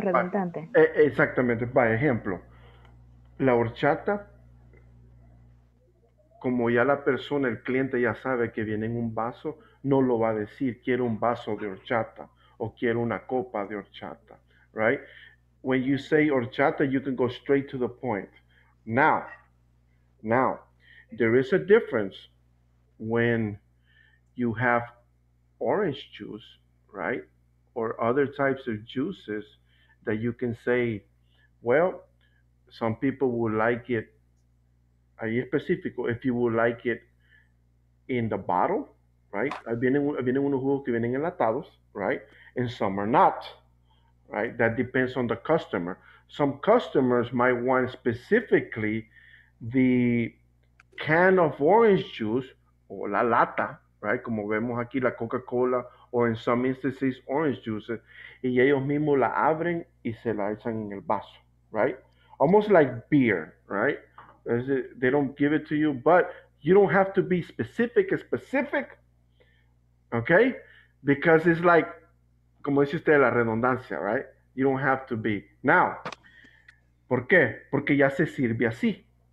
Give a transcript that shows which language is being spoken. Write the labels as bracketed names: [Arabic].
[Spanish] redundante. Exactamente. Por ejemplo, la horchata, como ya la persona, el cliente ya sabe que viene en un vaso, no lo va a decir quiero un vaso de horchata o quiero una copa de horchata, right? [English] When you say horchata, you can go straight to the point. Now, there is a difference when you have orange juice, right? Or other types of juices that you can say, well, some people would like it, [Spanish] ahí específico, [English] if you would like it in the bottle, right? [Spanish] Vienen unos jugos que vienen enlatados, right? [English] And some are not, [Spanish] right? [English] That depends on the customer. Some customers might want specifically the can of orange juice or [Spanish] la lata, [English] right? [Spanish] Como vemos aquí la Coca-Cola [English] or in some instances orange juices. [Spanish] Y ellos mismos la abren y se la echan en el vaso, right? [English] Almost like beer, right? They don't give it to you, but you don't have to be specific, okay? Because it's like, [Spanish] como dice usted, la redundancia, [English] right? You don't have to be. [Spanish] Now, ¿por qué? Porque ya se sirve así.